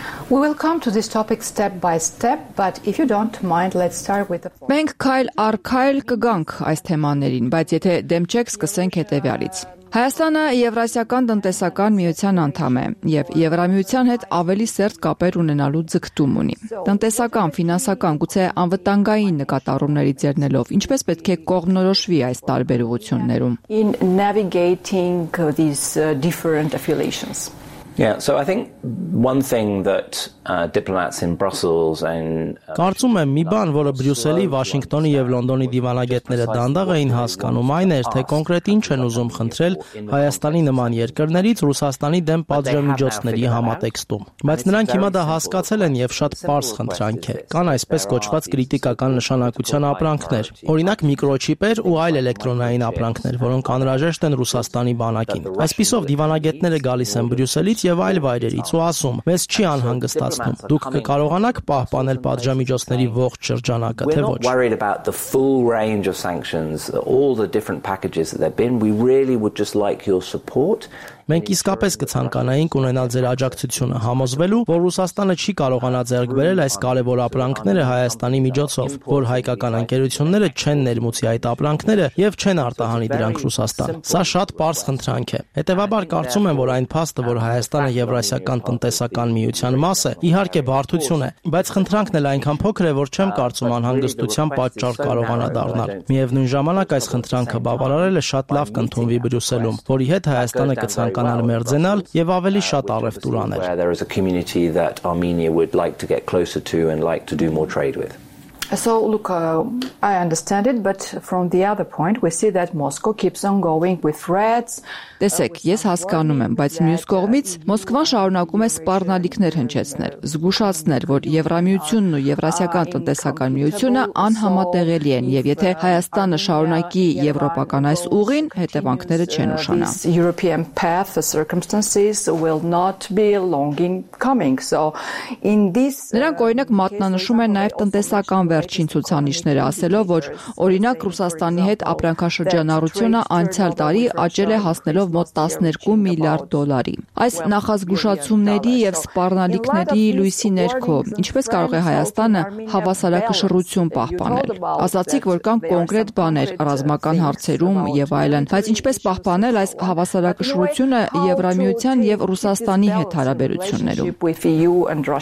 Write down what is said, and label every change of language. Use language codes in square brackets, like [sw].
[en] We will come to this topic step by step, but if you don't mind, let's start with the [hy] Մենք քայլ առ քայլ կգանք այս թեմաներին, բայց եթե դեմ չեք, սկսենք հետեւյալից։ Հայաստանը Եվրասիական տնտեսական միության անդամ է եւ Եվրամիության հետ ավելի սերտ կապեր ունենալու ձգտում ունի։ Տնտեսական, ֆինանսական, գուցե անվտանգային նկատառումների ձեռնելով ինչպես պետք է կողմնորոշվի այս տարբեր ուղություններում։ [en] In navigating these different affiliations. Yeah, so I think one thing that diplomats in Brussels and [hy] Կարծում եմ մի բան, որը Բրյուսելի, Վաշինգտոնի եւ Լոնդոնի դիվանագետները դանդաղ էին հասկանում, այն էր, թե կոնկրետ ինչ են ուզում խնդրել Հայաստանի նման երկրներից Ռուսաստանի դեմ պատժամիջոցների համատեքստում։ Բայց նրանք հիմա դա հասկացել են եւ շատ պարզ խնդրանք է։ Կան այսպես կոչված կրիտիկական նշանակության ապրանքներ, օրինակ միկրոչիպեր ու այլ էլեկտրոնային ապրանքներ, որոնք անհրաժեշտ են Ռուսաստանի բանակին։ Այսպիսով դիվանագետները գալիս են Բրյուսելից եւ այլ վայրերից ու ասում. «Մեզ չի անհանգստ տասնում, դուք կարողանաք պահպանել պատժամիջոցների ողջ շրջանակը, թե ոչ»։ [en] We're worried about the full range of sanctions, all the different packages that they've been. We really would just like your support. [hy] Մենք իսկապես կցանկանայինք ունենալ ձեր աջակցությունը, համոզվելու, որ Ռուսաստանը չի կարողանա ձեռք բերել այս կարևոր ապրանքները Հայաստանի միջոցով, որ հայկական ընկերությունները չեն ներմուծի այդ ապրանքները եւ չեն արտահանի դրանք Ռուսաստան։ Սա շատ պարզ խնդրանք է։ Հետևաբար կարծում եմ, որ այն փաստը, որ Հայաստանը Եվրասիական տնտեսական միության մաս է, իհարկե բարդություն է, բայց խնդրանքն էլ այնքան փոքր է, որ չեմ կարծում անհանգստության պատճառ կարողանա դառնալ։ Միևնույն ժամանակ այս խնդրանքը բավարարելը շատ լավ կընդունվի Բրյուսելում, որի հետ Հայաստանը կցանկանա կանալ մերձենալ եւ ավելի շատ առևտուրաներ։ [en] There is a community that Armenia would like to get closer to and like to do more trade with. So look, I understand it, but from the other point we see that Moscow keeps on going with threats. [hy] Տեսեք, ես հասկանում եմ, բայց մյուս կողմից Մոսկվան շարունակում է սպառնալիքներ հնչեցնել, զգուշացնել, որ Եվրամիությունն ու Եվրասիական տնտեսական միությունը անհամատեղելի են, եւ եթե Հայաստանը շարունակի եվրոպական այս ուղին, հետևանքները չեն ուշանա։ [en] European path for circumstances will not be long in coming. So in this [hy] Նրանք օրինակ մատնանշում են նաեւ տնտեսական վերջին ցուցանիշները, ասելով, որ օրինակ Ռուսաստանի հետ ապրանքաշրջանառությունը անցյալ տարի աճել է հասնելով մոտ $12 միլիարդ. Այս նախազգուշացումների եւ սպառնալիքների լույսի ներքո ինչպես կարող է Հայաստանը հավասարակշռություն պահպանել։ Ասացիք, որ կան կոնկրետ բաներ ռազմական հարցերում եւ այլն, բայց ինչպես պահպանել այս հավասարակշռությունը Եվրամիության եւ Ռուսաստանի հետ հարաբերություններում։